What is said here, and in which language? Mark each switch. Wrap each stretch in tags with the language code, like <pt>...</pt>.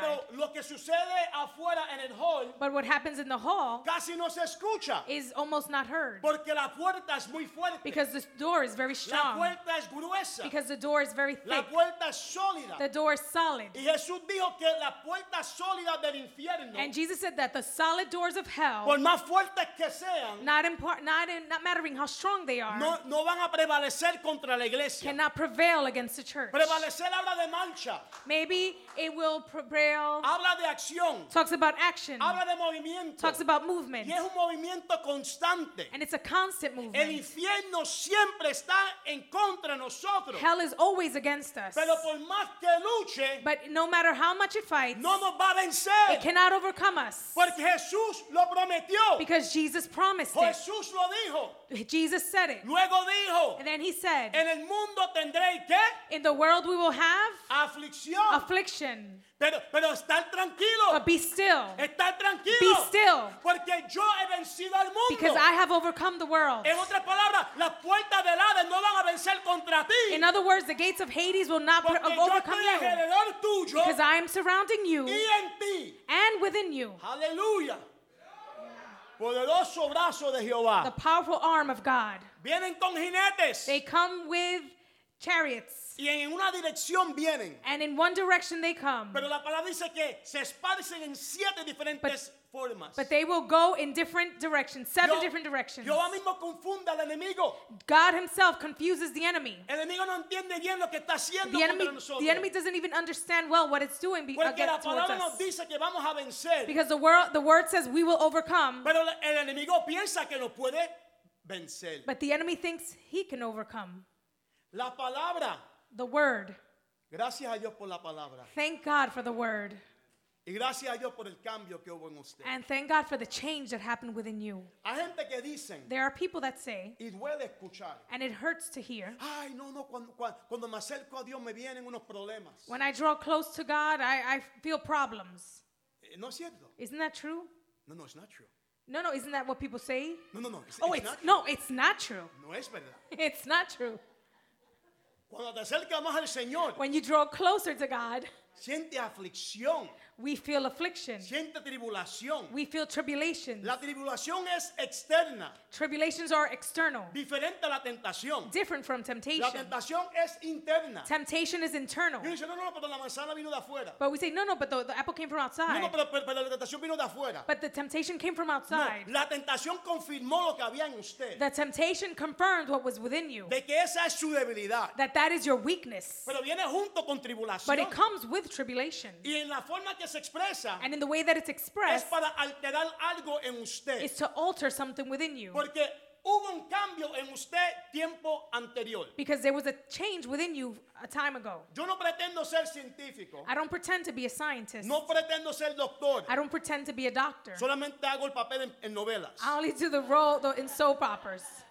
<es>Pero lo que sucede afuera en el hall,</es> <en>but what happens in the hall,</en> <es>casi no se escucha,</es> <en>is almost not heard.</en> <es>Porque la puerta es muy fuerte.</es> <en>Because the door is very strong.</en> <es>La puerta es gruesa.</es> <en>Because the door is very thick.</en> <es>La puerta es sólida.</es> <en>The door is solid.</en> <es>Y Jesús dijo que la puerta sólida del infierno,</es> <en>and Jesus said that the solid doors of hell,</en> <es>por más fuertes que sean,</es> <en>not mattering how strong they are,</en> <es>no van a prevalecer contra la iglesia,</es> <en>cannot prevail against the church.</en> <es>Prevalecer habla de marcha.</es> <en>Maybe it will prevail.</en> <es>Habla de acción.</es> <en>Talks about action.</en> <es>Habla de movimiento.</es> <en>Talks about movement.</en> <es>Y es un movimiento constante.</es> <en>And it's a constant movement.</en> <es>El infierno siempre está en contra nosotros.</es> <en>Hell is always against us.</en> <es>Pero por más que luche,</es> <en>but no matter how much it fights,</en> <es>no nos va a vencer.</es> <en>It cannot overcome us.</en> <es>Porque Jesús lo prometió.</es> <en>Because Jesus promised</en> <es>it. Jesús lo dijo.</es> <en>Jesus said it.</en> <es>Luego dijo,</es> <en>and then he said,</en> <es>en el mundo tendréis qué?</es> <en>In the world we will have</en> <es>aflicción.</es> <en>Affliction.</en> <es>Pero estar tranquilo.</es> <en>But be still.</en> <es>Estar tranquilo.</es> <en>Be still.</en> <es>Porque yo he vencido al mundo.</es> <en>Because I have overcome the world.</en> <es>En otras palabras, las puertas del Hades no van a vencer contra ti.</es> <en>In other words, the gates of Hades will not overcome you.</en> <es>Porque yo estoy alrededor tuyo.</es> <en>Because I am surrounding you.</en> <es>Y en ti.</es> <en>And within you.</en> <es>Hallelujah. Poderoso brazo de Jehová.</es> <en>The powerful arm of God.</en> <es>Vienen con jinetes.</es> <en>They come with chariots.</en> <es>Y en una dirección vienen.</es> <en>And in one direction they come.</en> <es>Pero la palabra dice que se esparcen en siete diferentes formas.</es> <en>But they will go in different directions, seven different directions.</en> <es>Jehová mismo confunde al enemigo.</es> <en>God himself confuses the enemy.</en> <es>El enemigo no entiende bien lo que está haciendo contra nosotros.</es> <en>The enemy doesn't even understand well what it's doing against us.</en> <es>Porque la palabra nos dice que vamos a vencer.</es> <en>Because the word says we will overcome.</en> <es>Pero el enemigo piensa que no puede vencer.</es> <en>But the enemy thinks he can overcome.</en> <es>La palabra.</es> <en>The word.</en> <es>Gracias a Dios por la palabra.</es> <en>Thank God for the word.</en> <es>Y gracias a Dios por el cambio que hubo en usted.</es> <en>And thank God for the change that happened within you.</en> <es>Hay gente que dicen,</es> <en>there are people that say,</en> <es>y duele escuchar,</es> <en>and it hurts to hear,</en> <es>ay, no, cuando me acerco a Dios me vienen unos problemas.</es> <en>When I draw close to God, I feel problems.</en> <es>No es cierto.</es> <en>Isn't that true? No, it's not true. No, isn't that what people say?</en> <es>No.</es> <en>It's not true. No, it's not true.</en> <es>No es verdad.</es> <en>It's not true.</en> <es>Cuando te acercas más al Señor,</es> <en>when you draw closer to God,</en> <es>siente aflicción.</es> <en>We feel affliction.</en> <es>Siente tribulación.</es> <en>We feel tribulations.</en> <es>La tribulación es externa.</es> <en>Tribulations are external.</en> <es>Diferente a la tentación.</es> <en>Different from temptation.</en> <es>La tentación es interna.</es> <en>Temptation is internal.</en> <es>Y dice, no, pero la manzana vino de afuera.</es> <en>But we say, no, but the apple came from outside.</en> <es>No, pero la tentación vino de afuera.</es> <en>But the temptation came from outside.</en> <es>No, la tentación confirmó lo que había en usted.</es> <en>The temptation confirmed what was within you.</en> <es>De que esa es su debilidad.</es> <en>That is your weakness.</en> <es>Pero viene junto con tribulación.</es> <en>But it comes with tribulation.</en> <es>Y en la forma que se expresa,</es> <en>and in the way that it's expressed,</en> <es>es para alterar algo en usted,</es> <en>is to alter something within you.</en> <es>Porque hubo un cambio en usted tiempo anterior.</es> <en>Because there was a change within you a time ago.</en> <es>Yo no pretendo ser científico.</es> <en>I don't pretend to be a scientist.</en> <es>No pretendo ser doctor.</es> <en>I don't pretend to be a doctor.</en> <es>Solamente hago el papel en novelas.</es> <en>I only do the role in soap operas.</en>